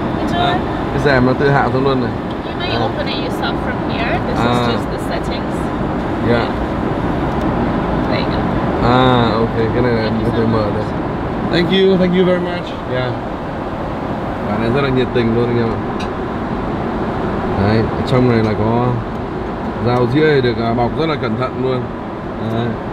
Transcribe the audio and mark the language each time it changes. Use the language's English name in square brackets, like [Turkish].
[Vietnamese] Cái rèm nó tự hạ xuống luôn này. [English] You may open it yourself from here, this is just the settings. Yeah. There you go. [Vietnamese] Okay, cái này mình có thể mở được. [English] Thank you very much. Yeah. [Vietnamese] Bạn này rất là nhiệt tình luôn anh em ạ. Đấy, trong này là có dao dĩa được bọc rất là cẩn thận luôn. Đấy.